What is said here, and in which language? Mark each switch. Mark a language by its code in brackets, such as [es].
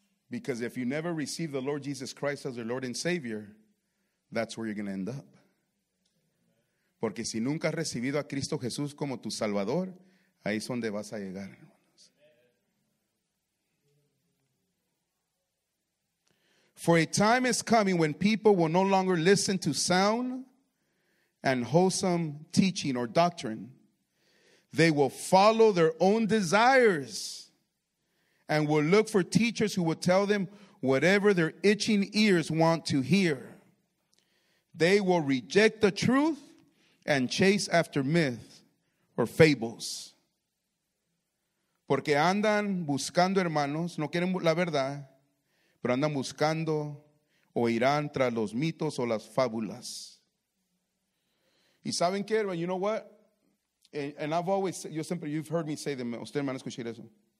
[en] Because if you never receive the Lord Jesus Christ as your Lord and Savior, that's where you're going to end up. [es] Porque si nunca has recibido a Cristo Jesús como tu Salvador, ahí es donde vas a llegar. [en] For a time is coming when people will no longer listen to sound and wholesome teaching or doctrine. They will follow their own desires and will look for teachers who will tell them whatever their itching ears want to hear. They will reject the truth and chase after myths or fables. [es] Porque andan buscando, hermanos, no quieren la verdad, pero andan buscando o irán tras los mitos o las fábulas. Y saben qué, hermano, [en] you know what? And I've always, [es] yo siempre, [en] you've heard me say them, [es] ustedes me han escuchado eso.